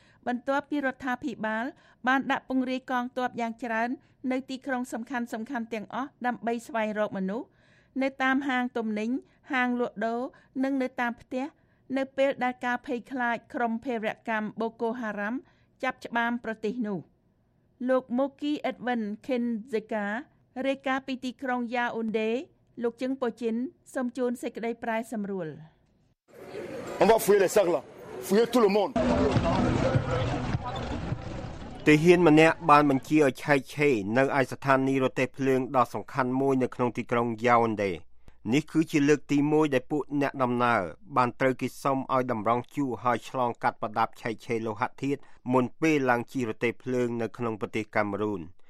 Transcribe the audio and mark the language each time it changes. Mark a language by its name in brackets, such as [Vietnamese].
[Khmer] បន្ទាប់ពីរដ្ឋាភិបាលបានដាក់ពង្រាយកងទ័ពយ៉ាងច្រើននៅទីក្រុងសំខាន់ៗទាំងអស់ដើម្បីស្វែងរកមនុស្សនៅតាមហាងទំនិញហាងលក់ដូរនិងនៅតាមផ្ទះនៅពេលដែលការភ័យខ្លាចក្រុមភេរវកម្ម Boko Haram ចាប់ច្បាមប្រទេសនោះលោក Moki Edwin Kenzeka រាយការណ៍ពីទីក្រុង Yaounde លោកជឹងប៉ូជិនសូមជូនសេចក្តីប្រែសម្រួល [French] On va fouiller les sacs là fouiller tout le monde [Khmer] ទីហ៊ានម្នាក់បានបញ្ជាឲ្យឆែកឆេរនៅឯស្ថានីយ៍រទេះភ្លើងដ៏សំខាន់មួយនៅក្នុងទីក្រុង Yaounde នេះគឺជាលើកទី1ដែលពួកអ្នកដំណើរបានត្រូវគេសុំឲ្យតម្រង់ជួរឲ្យឆ្លងកាត់ប្រដាប់ឆែកឆេរលោហៈធាតុមុនពេលឡើងជិះរទេះភ្លើងនៅក្នុងប្រទេសកាមេរូន